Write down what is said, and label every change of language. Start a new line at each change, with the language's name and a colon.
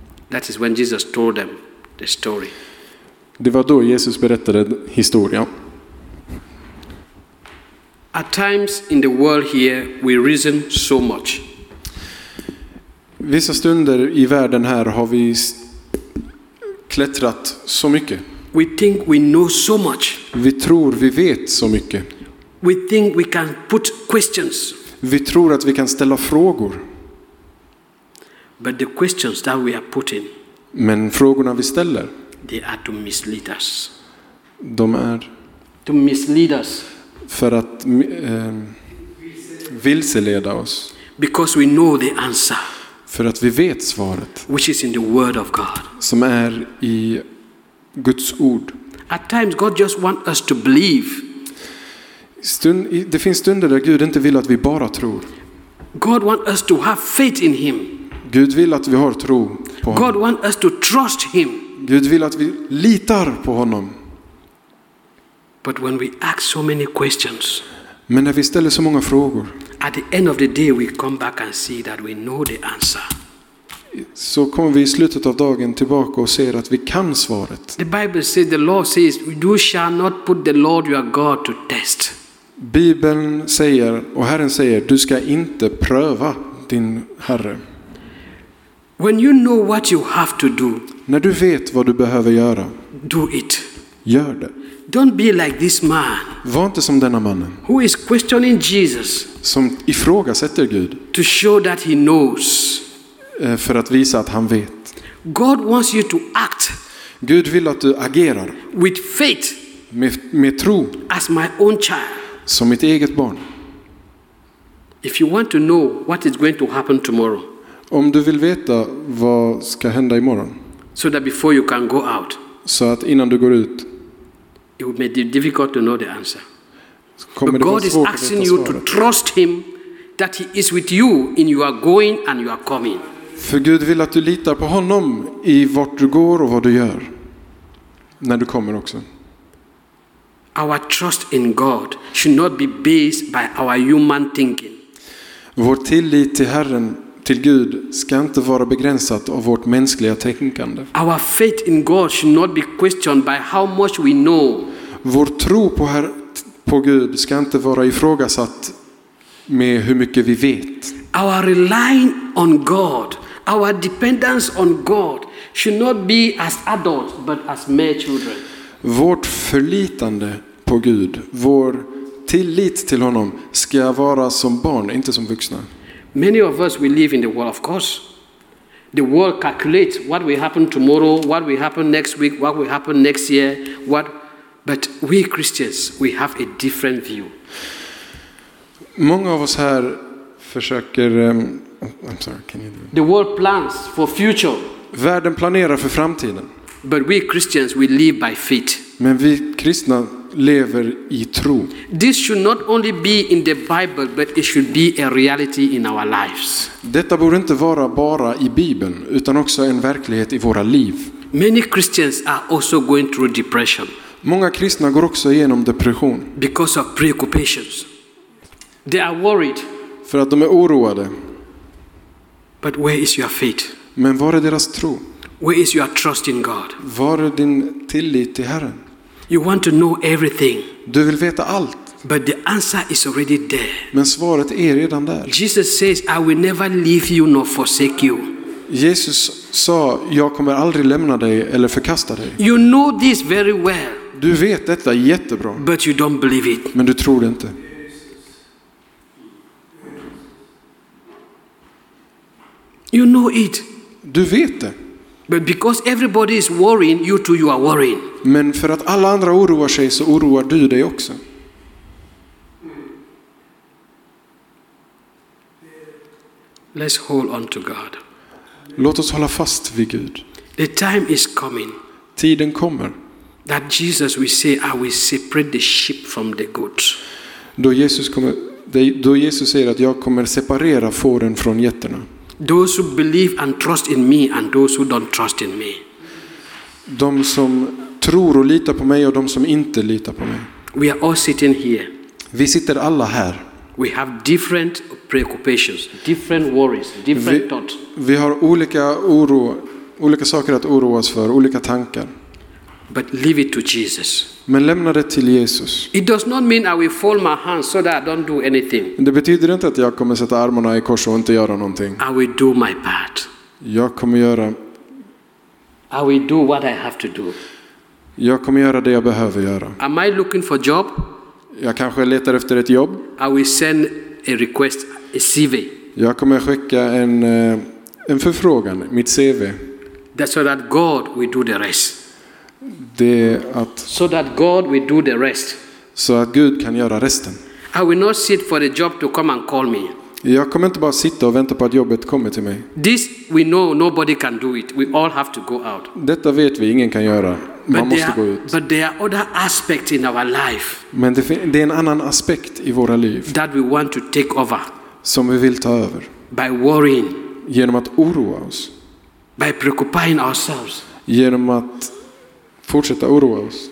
English: That is when Jesus told them the story.
Swedish: Det var då Jesus berättade historien.
English: At times in the world here we reason so much.
Swedish: Vissa stunder i världen här har vi klättrat så mycket.
English: We think we know so much.
Swedish: Vi tror vi vet så mycket.
English: We think we can put questions.
Swedish: Vi tror att vi kan ställa frågor.
English: But the questions that we are putting.
Swedish: Men frågorna vi ställer.
English: They are to mislead us.
Swedish: De är.
English: To mislead us.
Swedish: För att vilseleda oss.
English: Because we know the answer.
Swedish: För att vi vet svaret.
English: Which is in the word of God.
Swedish: Som är i Guds ord.
English: At times God just want us to believe.
Swedish: Det finns stunder där Gud inte vill att vi bara tror.
English: God want us to have faith in him.
Swedish: Gud vill att vi har tro på honom.
English: God want us to trust him.
Swedish: Gud vill att vi litar på honom.
English: But when we ask so many questions.
Swedish: Men när vi ställer så många frågor.
English: At the end of the day we come back and see that we know the answer.
Swedish: Så kommer vi i slutet av dagen tillbaka och ser att vi kan svaret.
English: The Bible says the law says you shall not put the Lord your God to test.
Swedish: Bibeln säger och Herren säger du ska inte pröva din Herre.
English: When you know what you have to do.
Swedish: När du vet vad du behöver göra.
English: Do it.
Swedish: Gör det.
English: Don't be like this man.
Swedish: Var inte som denna mannen.
English: Who is questioning Jesus?
Swedish: Som ifrågasätter Gud.
English: To show that he knows.
Swedish: För att visa att han vet.
English: God wants you to act.
Swedish: Gud vill att du agerar.
English: With faith.
Swedish: med tro,
English: as my own child,
Swedish: som mitt eget barn.
English: If you want to know what is going to happen tomorrow,
Swedish: om du vill veta vad ska hända imorgon,
English: so that before you can go out,
Swedish: så att innan du går ut,
English: it would be difficult to know the answer.
Swedish: Kommer
English: but God is asking you to trust him that he is with you in your going and your coming.
Swedish: För Gud vill att du litar på honom i vart du går och vad du gör när du kommer också.
English: Our trust in God should not be based by our human thinking.
Swedish: Vår tillit till Herren, till Gud, ska inte vara begränsat av vårt mänskliga tänkande.
English: Our faith in God should not be questioned by how much we know.
Swedish: Vår tro på Gud ska inte vara ifrågasatt med hur mycket vi vet.
English: Our relying on God, our dependence on God should not be as adults but as mere children.
Swedish: Vårt förlitande på Gud, vår tillit till honom, ska vara som barn, inte som vuxna.
English: Many of us we live in the world, of course. The world calculates what will happen tomorrow, what will happen next week, what will happen next year, but we Christians, we have a different view.
Swedish: Många av oss här försöker
English: I'm sorry, can you do it? The world plans for future.
Swedish: Världen planerar för framtiden.
English: But we Christians we live by faith.
Swedish: Men vi kristna lever i tro.
English: This should not only be in the Bible but it should be a reality in our lives.
Swedish: Detta borde inte vara bara i Bibeln utan också en verklighet i våra liv.
English: Many Christians are also going through depression.
Swedish: Många kristna går också igenom depression.
English: Because of preoccupations. They are worried.
Swedish: För att de är oroade.
English: But where is your faith?
Swedish: Men var är deras tro?
English: Where is your trust in God?
Swedish: Var är din tillit till Herren?
English: You want to know everything.
Swedish: Du vill veta allt.
English: But the answer is already there.
Swedish: Men svaret är redan där.
English: Jesus says, I will never leave you nor forsake you.
Swedish: Jesus sa, jag kommer aldrig lämna dig eller förkasta dig.
English: You know this very well.
Swedish: Du vet detta jättebra.
English: But you don't believe it.
Swedish: Men du tror det inte.
English: You know it.
Swedish: Du vet det.
English: But because everybody is worrying, you too you are worrying.
Swedish: Men för att alla andra oroar sig så oroar du dig också.
English: Let's hold on to God.
Swedish: Låt oss hålla fast vid Gud.
English: The time is coming.
Swedish: Tiden kommer.
English: That Jesus will say, I will separate the sheep from the goats.
Swedish: Då Jesus säger att jag kommer separera fåren från getterna.
English: Those who believe and trust in me and those who don't trust in me.
Swedish: De som tror och litar på mig och de som inte litar på mig.
English: We are all sitting here.
Swedish: Vi sitter alla här.
English: We have different preoccupations, different worries, different thoughts.
Swedish: Vi har olika oro, olika saker att oroa oss för, olika tankar.
English: But leave it to Jesus.
Swedish: Men lämna det till Jesus.
English: It does not mean I will fold my hands so that I don't do anything.
Swedish: Det betyder inte att jag kommer sätta armarna i kors och inte göra någonting.
English: I will do my part.
Swedish: Jag kommer göra.
English: I will do what I have to do.
Swedish: Jag kommer göra det jag behöver göra.
English: Am I looking for a job?
Swedish: Jag kanske letar efter ett jobb.
English: I will send a request, a CV.
Swedish: Jag kommer skicka en förfrågan, mitt CV.
English: That's so that God will do the rest.
Swedish: Det att
English: so that God will do the rest.
Swedish: Så att Gud kan göra resten.
English: I will not sit for a job to come and call me.
Swedish: Jag kommer inte bara sitta och vänta på att jobbet kommer till mig.
English: This we know nobody can do it. We all have to go out.
Swedish: Detta vet vi ingen kan göra. Man måste gå ut.
English: But there are other aspects in our life.
Swedish: Men det är en annan aspekt i våra liv.
English: That we want to take over.
Swedish: Som vi vill ta över.
English: By worrying.
Swedish: Genom att oroa oss.
English: By preoccupying ourselves.
Swedish: Genom att fortsätta oroa oss.